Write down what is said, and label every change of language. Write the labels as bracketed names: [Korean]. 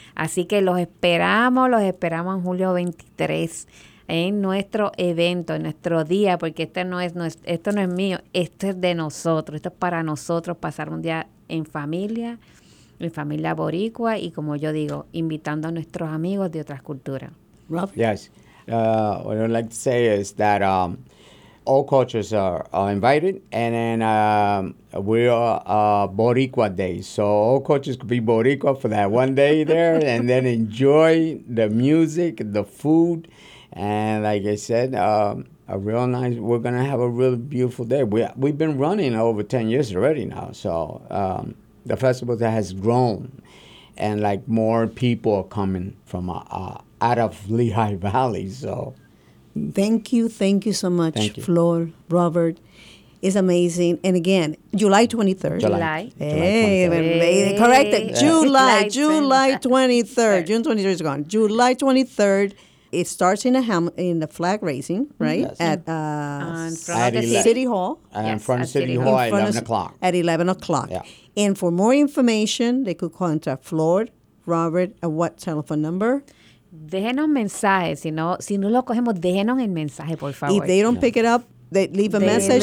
[Spanish] Así que los esperamos en julio 23. En nuestro evento, en nuestro día, porque esto no es mío, esto es de nosotros, esto es para nosotros pasar un día en familia boricua y, como yo digo, invitando a nuestros amigos de otras culturas. [English] Robert. Yes, what I'd like to say is that all cultures are invited, and then we are Boricua Day, so all cultures could be Boricua for that one day there, and then enjoy the music, the food. And like I said, we're going to have a really beautiful day. We've been running over 10 years already now. So the festival that has grown, and like more people are coming from out of Lehigh Valley. So thank you. Thank you so much, thank you. Flor, Robert. It's amazing. And again, July 23rd. July. Hey, correct. July 23rd. June 23rd is gone. July 23rd. It starts in the flag raising, right? Yes. At 11 o'clock. Yeah. And for more information, they could contact Flor, Robert, at what telephone number? [Spanish] Déjenos mensaje. Si no lo cogemos, déjenos el mensaje, por favor. [English] If they don't pick it up, they leave a message?